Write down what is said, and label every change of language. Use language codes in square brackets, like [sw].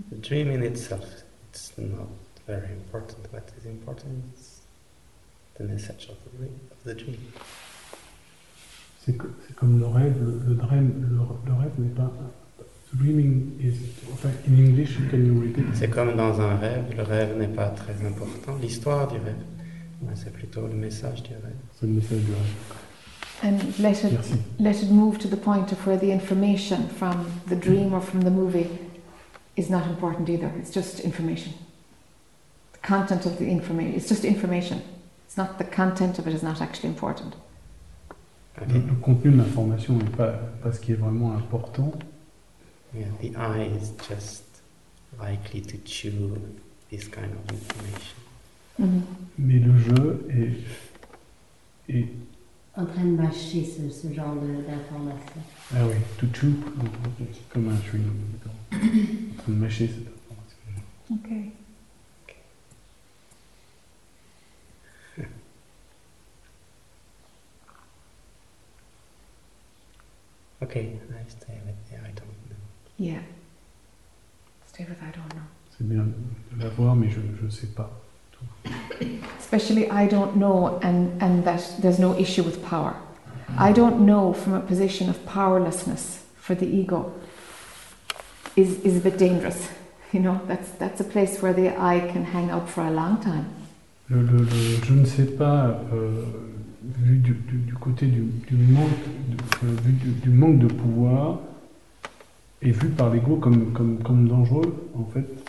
[en] The dream in itself, it's not very important. What is important is the message of the dream. [fr] C'est comme le rêve, le rêve n'est pas... [en] Dreaming is... Enfin, in English, can you read it? [fr] C'est comme dans un rêve, le rêve n'est pas très important, l'histoire du rêve. C'est plutôt le message du rêve. C'est le message du rêve. [en] And let it move to the point of where the information from the dream or from the movie is not important either. It's just information. The content of the information, it's just information. It's not the content of it is not actually important. Okay. [fr] Le contenu de l'information n'est pas ce qui est vraiment important. [en] Yeah, the eye is just likely to chew this kind of information. [fr] Mm-hmm. Mais le jeu est en train de mâcher ce genre d'information. Ah oui, [en] to chew, okay. [fr] Comme un chewing gum. En train de mâcher cette information. Ok. [en] Ok, I stay with the I don't know. Yeah. Stay with I don't know. [fr] C'est bien de l'avoir, mais je ne sais pas. [en] Especially I don't know and that there's no issue with power. Mm-hmm. I don't know from a position of powerlessness for the ego is a bit dangerous. You know, that's a place where the I can hang out for a long time. [fr] Le je ne sais pas vu du côté du manque du manque de pouvoir est vu par l'ego comme dangereux en fait.